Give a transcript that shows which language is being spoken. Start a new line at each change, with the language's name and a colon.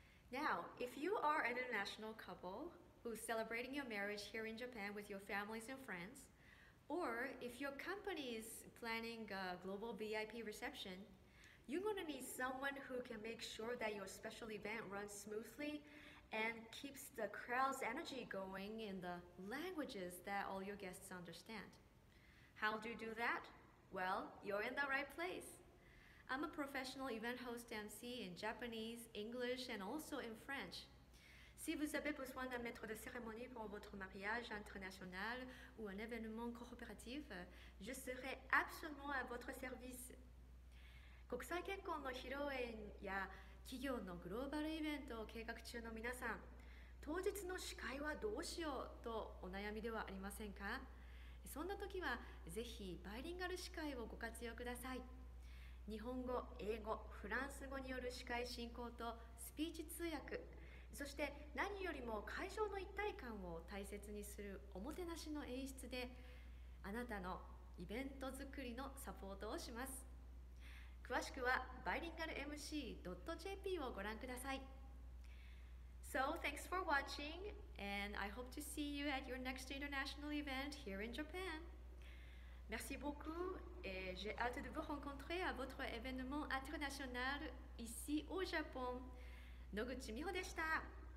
English: Now, if you are an international couple who's celebrating your marriage here in Japan with your families and friends, or if your company is planning a global VIP reception, you're going to need someone who can make sure that your special event runs smoothly and keeps the crowd's energy going in the languages that all your guests understand. How do you do that? Well, you're in the right place. I'm a professional event host MC in Japanese, English, and also in French.
French: Si vous avez besoin d'un maître de cérémonie pour votre mariage international ou un événement coopératif, je serai absolument à votre service.
Japanese: 国際結婚の披露宴や企業のグローバルイベントを計画中の皆さん、当日の司会はどうしようとお悩みではありませんか？そんな時はぜひバイリンガル司会をご活用ください。日本語、英語、フランス語による司会進行とスピーチ通訳、そして何よりも会場の一体感を大切にするおもてなしの演出であなたのイベント作りのサポートをします。詳しくは bilingualmc.jp をご覧ください。
English: So thanks for watching, and I hope to see you at your next international event here in Japan.
French: Merci beaucoup, et j'ai hâte de vous rencontrer à votre événement international ici au Japon.
Japanese: 野口美穂でした。